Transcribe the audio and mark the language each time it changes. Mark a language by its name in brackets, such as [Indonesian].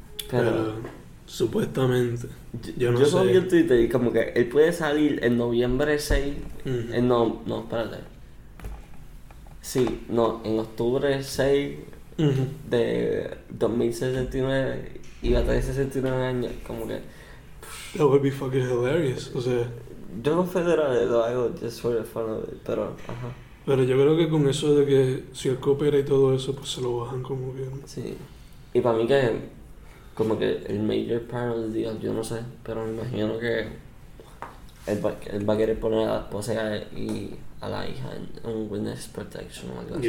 [Spanish] Pero supuestamente, yo no yo sé. Yo sabía en Twitter y como que él puede salir en noviembre 6, uh-huh. Espérate. Sí, no, en octubre 6 uh-huh. de 2069, y va a tener 69 años, como que... [English] That would be fucking hilarious, [Spanish] o sea... Yo no federal, lo hago [English] just for the fun of it, [Spanish] pero, ajá. Pero yo creo que con eso de que si él coopera y todo eso, pues se lo bajan como bien. Sí. Y para mí que, como que el [English] major part of the deal, [Spanish] yo no sé, pero me imagino que él va a querer poner a la esposa y a la hija en witness protection o algo así.